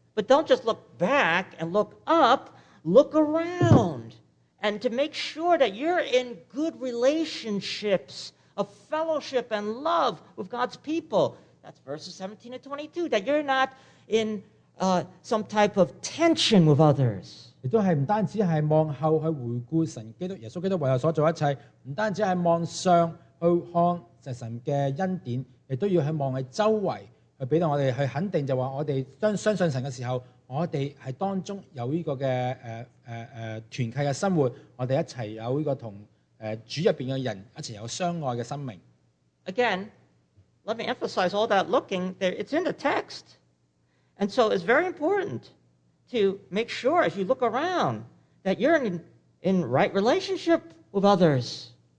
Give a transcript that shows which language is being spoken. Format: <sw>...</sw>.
<en>But don't just look back and look up. Look around and to make sure that you're in good relationships of fellowship and love with God's people. That's verses 17 and 22, that you're not in some type of tension with others.</en> <zh>也都是不单只是望后去回顾神基督耶稣基督为了所做一切，不单只是望上去看神的恩典，也都要去望在周围，去给我们去肯定，就说我们相信神的时候， 我们是当中有这个团契的生活，我们一起有这个与主里面的人一起有相爱的生命。</zh> <en>Again, let me emphasize all that looking, it's in the text. And so it's very important to make sure as you look around that you're in right relationship with others.</en>